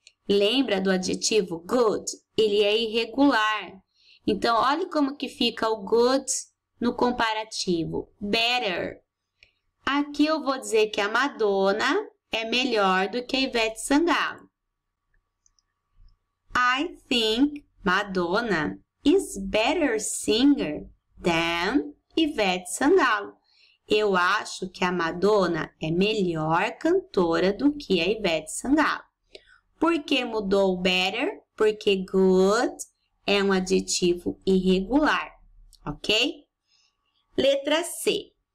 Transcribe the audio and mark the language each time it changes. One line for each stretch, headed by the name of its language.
Portuguese: Lembra do adjetivo good? Ele é irregular. Então, olha como que fica o good no comparativo. Better. Aqui eu vou dizer que a Madonna é melhor do que a Ivete Sangalo.
English: I think Madonna is better singer than Ivete Sangalo.
Portuguese: Eu acho que a Madonna é melhor cantora do que a Ivete Sangalo. Por que mudou o better? Porque good é um adjetivo irregular, ok? Letra C.